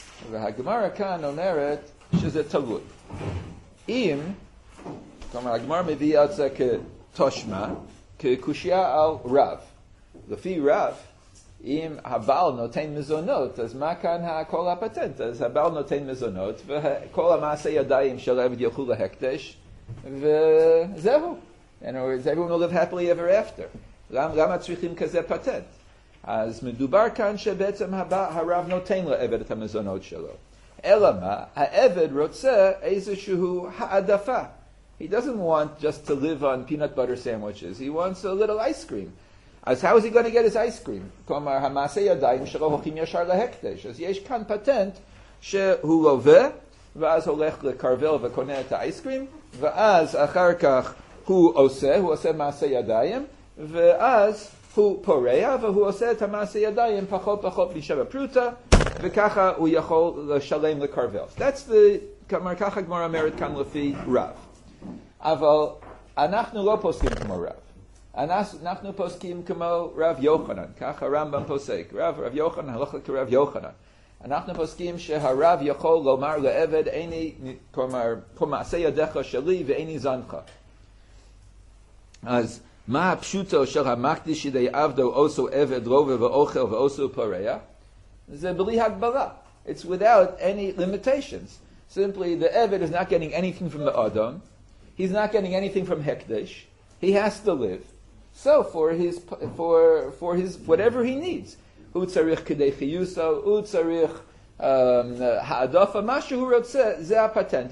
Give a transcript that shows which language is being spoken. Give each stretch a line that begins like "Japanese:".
Hebrew: והגמרא כאן אומרת שזה תלוי. אם, כלומר הגמרא מביאה את זה כתושמה, כקושיה על רב. לפי רב, אם הבעל נותן מזונות, אז מה כאן כל הפטנט? אז הבעל נותן מזונות, וכל המעשה ידיים של עבד ילכו להקדש, וזהו.
English: In other words, everyone will live happily ever after.
Hebrew: למה צריכים כזה פטנט? אז מדובר כאן שבעצם הרב נותן לעבד את המזונות שלו. אלא מה? העבד רוצה איזשהו העדפה.
English: He doesn't want just to live on peanut butter sandwiches. He wants a little ice cream. אז how is he going to get his ice cream?
Hebrew: כלומר, המעשה ידיים שלו הולכים ישר להקדש. אז יש כאן פטנט שהוא לווה, ואז הולך לקרבל וקונה את האייס קרים, ואז אחר כך הוא עושה מעשה ידיים, ואז הוא פורע, והוא עושה את המעשה ידיים פחות פחות משבע פרוטה, וככה הוא יכול לשלם לקרבל.
English: That's the,
Hebrew: כלומר, ככה גמר אומרת כאן לפי רב. אבל אנחנו לא פוסקים כמו רב. אנחנו פוסקים כמו רב יוחנן, ככה רמב״ם פוסק. רב יוחנן, הלכה כרב יוחנן. אנחנו פוסקים שהרב יכול לומר לעבד, איני, כלומר, פה מעשה ידיך שלי ואיני זנך. אז מה הפשוטו של המקדיש ידי עבדו עושו עבד רובה ואוכל ועושו פורע? זה בלי הגבלה.
English: It's without any limitations. Simply, the עבד is not getting anything from the Adam. He's not getting anything from Hekdesh. He has to live. So for his whatever he needs,
Hebrew: הוא צריך כדי חיוסו, הוא צריך העדפה, מה שהוא רוצה, זה הפטנט.